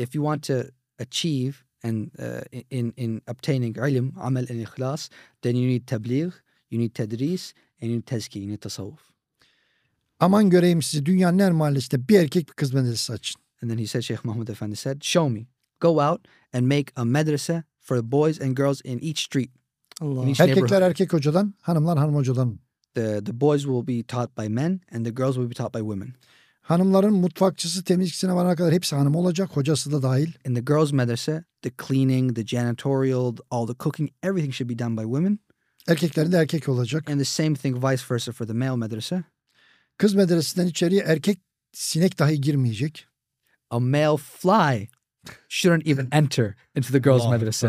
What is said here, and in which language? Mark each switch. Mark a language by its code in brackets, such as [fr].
[en] If you want to achieve and in obtaining ilm, amel and ikhlas, then you need tabligh, you need tedris, and you need tezki, you need tasavvuf. [tr] Aman göreyim sizi dünyanın her mahallesinde bir erkek bir kız medresesi açın. [en] And then he said, Sheikh Mahmud Efendi said, show me. Go out and make a madrasa for boys and girls in each street. [tr] Erkekler erkek hocadan, hanımlar hanım hocadan. [en] The boys will be taught by men and the girls will be taught by women. [tr] Hanımların mutfakçısı, temizlikçisine varana kadar hepsi hanım olacak, hocası da dahil. [en] In the girls' madrasa, the cleaning, the janitorial, all the cooking, everything should be done by women. [tr] Erkeklerin de erkek olacak. [en] And the same thing vice versa for the male madrasa. [tr] Kız medresesinden içeriye erkek sinek dahi girmeyecek. [en] A male fly shouldn't even enter into the girls' madrasa.